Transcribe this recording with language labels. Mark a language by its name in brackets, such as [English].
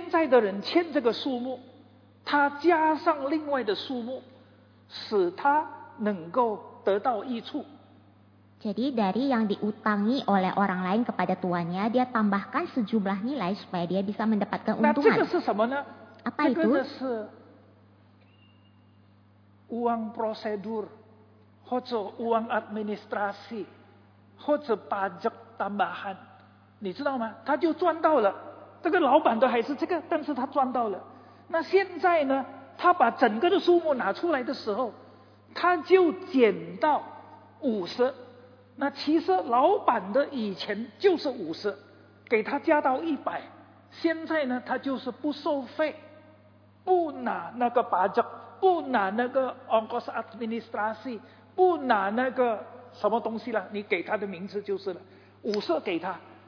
[Chinese] 所以欠债的人欠这个数目, 他加上另外的数目, 使他能够得到益处. [Indonesian] Jadi dari yang diutangi oleh orang lain kepada tuannya, dia tambahkan sejumlah nilai supaya dia bisa mendapatkan untungan. [Chinese] Nah, 这个是什么呢? [Indonesian] Apa itu? [Chinese] 这个是 [Indonesian] uang prosedur, [Chinese] 或者 [Indonesian] uang administrasi, [Chinese] 或者 [Indonesian] pajak tambahan. [Chinese] 你知道吗?他就赚到了. 这个老板的还是这个, 但是他赚到了.那现在呢? 他把整个的数目拿出来的时候, 他就减到 50. 那其实老板的以前就是50, 给他加到100, 现在呢他就是不收费, 不拿那个 budget, 不拿那个 [Indonesian] ongkos administrasi, [Chinese] 不拿那个什么东西了, 你给他的名字就是了, 50给他,